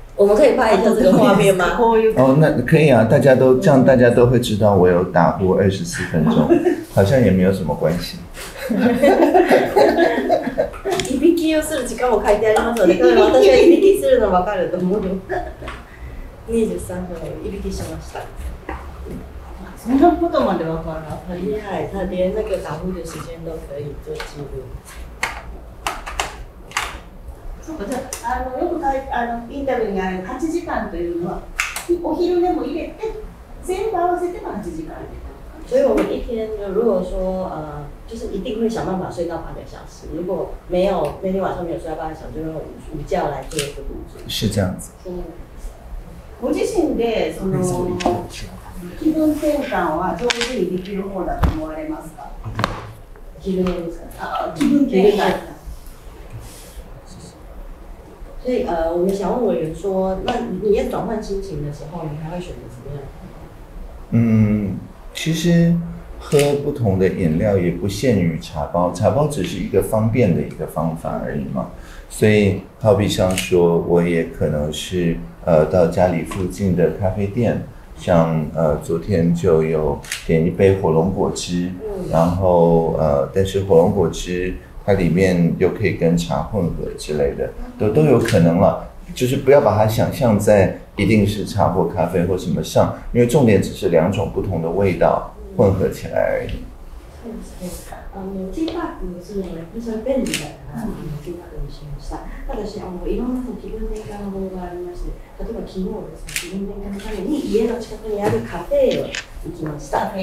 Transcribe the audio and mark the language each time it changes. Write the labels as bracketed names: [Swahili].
[Chinese] 我们可以拍一下这个画面吗？ [Japanese] こういう。 [Chinese] 哦，那可以啊，大家都这样，大家都会知道我有打呼24分钟，好像也没有什么关系。 [Japanese] いびきをする時間も書いてありますので、私はいびきするの分かると思う。 23分いびきしました。そんなことまでわからない。 [Chinese] 厉害、他连那个打呼的时间都可以做记录。 [Japanese] そうか、じゃあ、あのよくかいあのインタビューにある8時間というのは、お昼でも入れて、全部合わせても8時間で。 [Chinese] 所以我们一天如果说就是一定会想办法睡到八个小时。如果没有那天晚上没有睡到八个小时，就用午觉来做一个补足。是这样子。 [Japanese] ご自身でその。気分転換は上手にできる方だと思われますか？気分ですか？気分転換。 [Chinese] 所以我们想问委员说，那你要转换心情的时候，你还会选择什么样？其实喝不同的饮料也不限于茶包，茶包只是一个方便的一个方法而已嘛。所以好比像说，我也可能是到家里附近的咖啡店。像昨天就有点一杯火龙果汁，然后但是火龙果汁它里面又可以跟茶混合之类的，都有可能了。就是不要把它想象在一定是茶或咖啡或什么上，因为重点只是两种不同的味道混合起来而已。 [Japanese] 嗯，ティーパックするのが非常に便利だから、ティーパックにしました。ただし、いろんな気分転換の方法がありまして、例えば昨日ですね、気分転換のために家の近くにあるカフェへ行きました。